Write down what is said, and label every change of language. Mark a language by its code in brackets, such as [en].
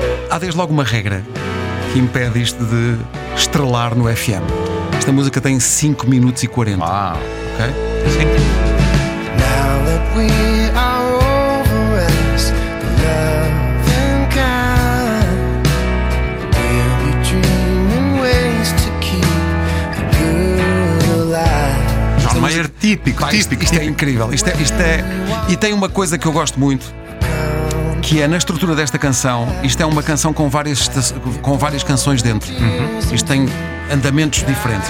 [pt] Há desde logo uma regra que impede isto de estrelar no FM. Esta música tem 5 minutos e 40. Uau. Ok? Sim. [en] Now that we are over us, the love and kind, we'll be dreaming ways to keep a good life. [pt] John Mayer, típico. Isto é incrível. Isto é. E tem uma coisa que eu gosto muito, que é na estrutura desta canção. Isto é uma canção com várias canções dentro. Uhum. Isto tem andamentos diferentes.